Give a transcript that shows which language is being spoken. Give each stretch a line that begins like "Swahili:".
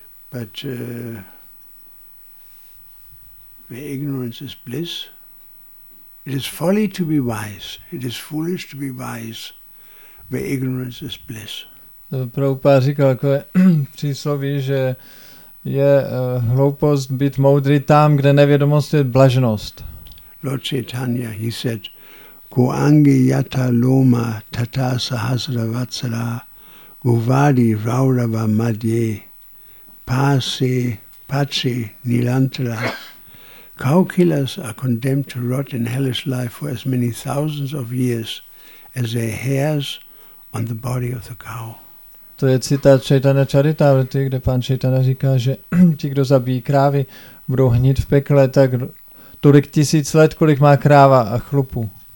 English: But where ignorance is bliss. It is folly to be wise. It is foolish to be wise. Where ignorance is bliss.
Czech: Prabhupada říkal takové přísloví, že je hloupost být moudrý tam, kde nevědomost je blaženost.
English: Lord Chaitanya, he said,
Sanskrit: Go angi yata loma tata sahasra vatsara guvadi raurava madye pase pache nilantara.
English: Cow killers are condemned to rot in hellish life for as many thousands of years as their hairs on the body of the cow.
Czech: To je citát Chaitanya Charitamrity, kde pan Chaitanya říká, že ti, kdo zabijí krávy, budou hnit v pekle tak tolik tisíc let, kolik má kráva a chlupu.